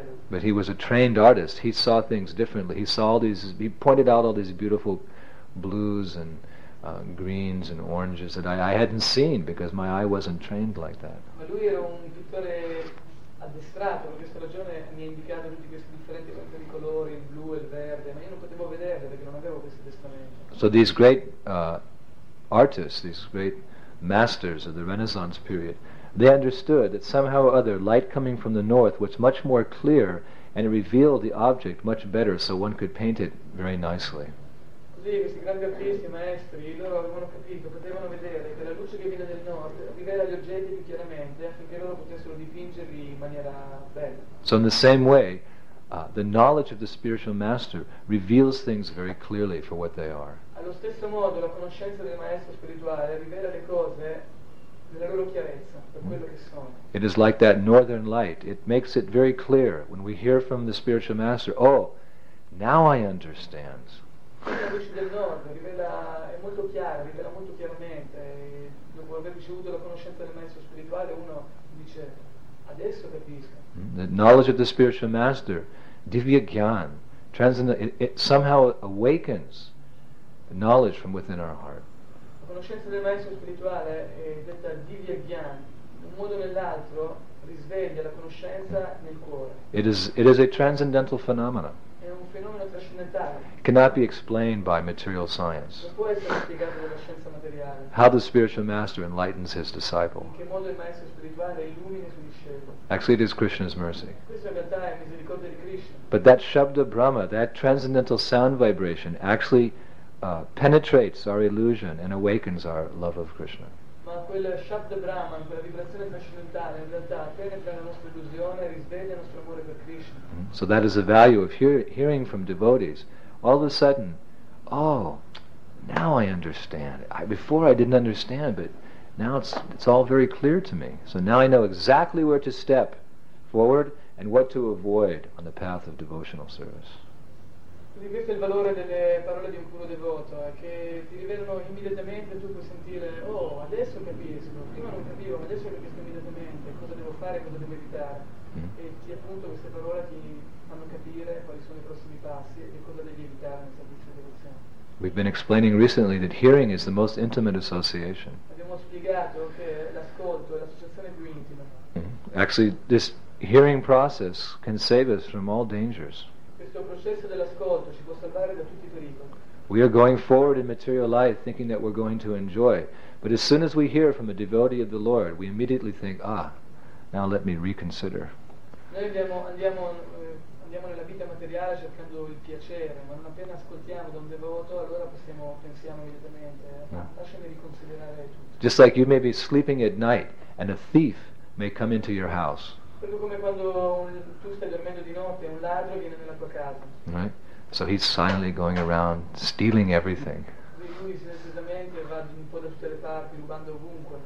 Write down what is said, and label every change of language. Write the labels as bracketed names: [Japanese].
[English] But he was a trained artist. He saw things differently. He saw all these, he pointed out all these beautiful blues and greens and oranges that I hadn't seen because my eye wasn't trained like that. [Italian] Ma lui era un pittore addestrato, per questa ragione mi ha indicato tutti questi differenti tipi di colori, il blu e il verde, ma io non potevo vederle perché non avevo questo addestramento. [English] So these great artists, these great masters of the Renaissance period, they understood that somehow or other light coming from the north was much more clear and it revealed the object much better so one could paint it very nicely. [Italian] Così questi grandi artisti, maestri, loro avevano capito, potevano vedere che la luce che viene dal nord rivela gli oggetti più chiaramente affinché loro potessero dipingerli in maniera bella. [English] So in the same way, the knowledge of the spiritual master reveals things very clearly for what they are. [Italian] Allo stesso modo la conoscenza del maestro spirituale rivela le cose nella loro chiarezza, per quello che sono. [English] It is like that northern light. It makes it very clear when we hear from the spiritual master, "Oh, now I understand." [Italian] La luce del nord rivela, è molto chiara, rivela molto chiaramente. Dopo aver ricevuto la conoscenza del maestro spirituale, uno dice, adesso capisco. [English] The knowledge of the spiritual master, divya gyan, transcendent, it somehow awakens the knowledge from within our heart. [Italian] La conoscenza del maestro spirituale è detta divya gyan, in un modo o nell'altro risveglia la conoscenza nel cuore. [English] It is a transcendental phenomena. [Italian] È un fenomeno trascendentale. [English] Cannot be explained by material science. [Italian] Non può essere spiegato dalla scienza materiale. [English] How the spiritual master enlightens his disciple. [Italian] In che modo il maestro spirituale illumina i suoi discepoli. [English] Actually, it is Krishna's mercy. [Italian] Questo in realtà è misericordia di Krishna. [English] But that Shabda Brahma, that transcendental sound vibration, actually penetrates our illusion and awakens our love of Krishna. [Italian] Ma quella Shabda Brahma, quella vibrazione trascendentale, in realtà penetra la nostra illusione e risveglia il nostro amore per Krishna. [English] So that is the value of hearing from devotees. All of a sudden, "Oh, now I understand. Before I didn't understand, but now it's all very clear to me. So now I know exactly where to step forward and what to avoid on the path of devotional service." [Italian] Quindi questo è il valore delle parole di un puro devoto, che ti rivelano immediatamente, tu puoi sentire, "Oh, adesso capisco. Prima non capivo, ma adesso capisco immediatamente cosa devo fare, cosa devo evitare." E ti, appunto, queste parole ti fanno capire quali sono i prossimi passi e cosa devi evitare nel servizio di devozione. [English] We've been explaining recently that hearing is the most intimate association. [Italian] Abbiamo spiegato che l'ascolto è l'associazione più intima. [English] Actually, this hearing process can save us from all dangers. [Italian] Questo processo dell'ascolto ci può salvare da tutti i pericoli. [English] We are going forward in material life thinking that we're going to enjoy, but as soon as we hear from a devotee of the Lord, we immediately think, "Ah, now let me reconsider." [Italian] Noi andiamo nella vita materiale cercando il piacere, ma non appena ascoltiamo da un devoto, allora pensiamo immediatamente, lasciami riconsiderare tutto. [English] Just like you may be sleeping at night and a thief may come into your house. [Italian] Proprio come quando tu stai dormendo di notte e un ladro viene nella tua casa. [English] Right? So he's silently going around stealing everything. [Italian] Lui silenziosamente va un po' da tutte le parti, rubando ovunque.